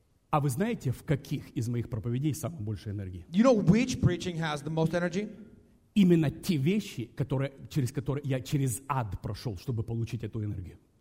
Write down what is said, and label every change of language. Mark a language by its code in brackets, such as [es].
[ru] А вы знаете, в каких из моих проповедей самое больше энергии? [en] You know which preaching has the most energy? [ru] Именно те вещи, которые, через которые я через ад прошел, чтобы получить эту энергию.